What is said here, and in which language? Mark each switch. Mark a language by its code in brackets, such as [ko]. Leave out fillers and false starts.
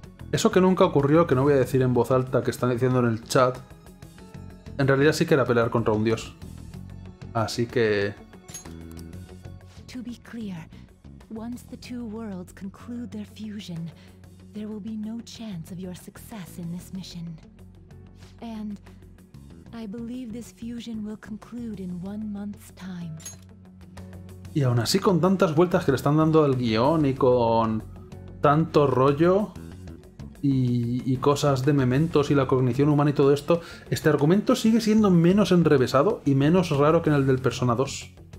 [es] Eso que nunca ocurrió, que no voy a decir en voz alta, que están diciendo en el chat, en realidad sí que era pelear contra un dios. Así que... [en] To be clear, once the two worlds conclude their fusion, there will be no chance of your success in this mission. And I believe this fusion will conclude in one month's time. [es] Y aún así, con tantas vueltas que le están dando al guión y con tanto rollo y cosas de mementos y la cognición humana y todo esto, este argumento sigue siendo menos enrevesado y menos raro que en el del Persona 2.